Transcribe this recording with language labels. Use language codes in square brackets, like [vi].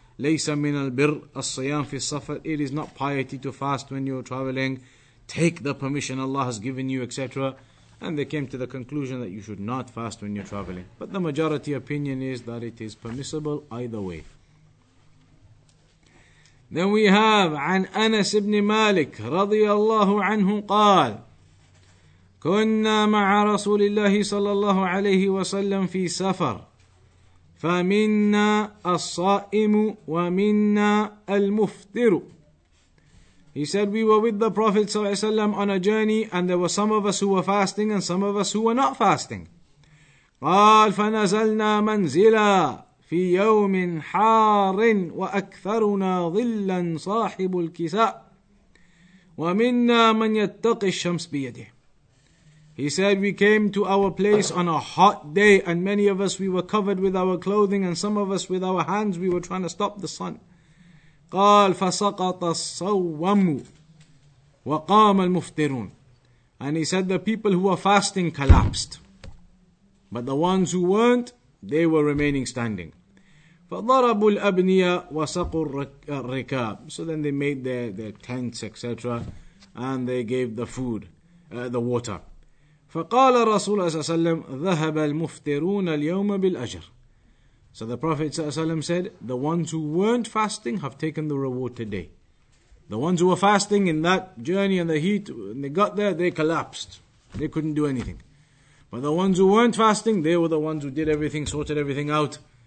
[ar] لَيْسَ مِنَ الْبِرِّ الصِّيَامِ فِي السَّفَرِ. [en] It is not piety to fast when you're traveling. Take the permission Allah has given you, etc. And they came to the conclusion that you should not fast when you're traveling. But the majority opinion is that it is permissible either way. Then we have [ar] عن أنس بن مالك رضي الله عنه قال كنا مع رسول الله صلى الله عليه وسلم في سفر فمنا الصائم ومنا المفطر. [en] He said, we were with the Prophet ﷺ on a journey and there were some of us who were fasting and some of us who were not fasting. [ar] قال فنزلنا منزلا في يوم حار وأكثرنا ظلا صاحب الكساء ومنا من يتقي الشمس بيده. [en] He said, we came to our place on a hot day and many of us, we were covered with our clothing and some of us with our hands, we were trying to stop the sun. [ar] قال فسقط الصوم وقام المفطرون. [en] And he said the people who were fasting collapsed. But the ones who weren't, they were remaining standing. [ar] فضربوا الأبنية وسقوا الركاب. [en] So then they made their tents, etc. And they gave the food, the water. [ar] فقال رسول الله صلى الله عليه وسلم ذهب المفطرون اليوم بالأجر. [en] So the Prophet ﷺ said, the ones who weren't fasting have taken the reward today. The ones who were fasting in that journey and the heat, when they got there, they collapsed. They couldn't do anything. But the ones who weren't fasting, they were the ones who did everything, sorted everything out.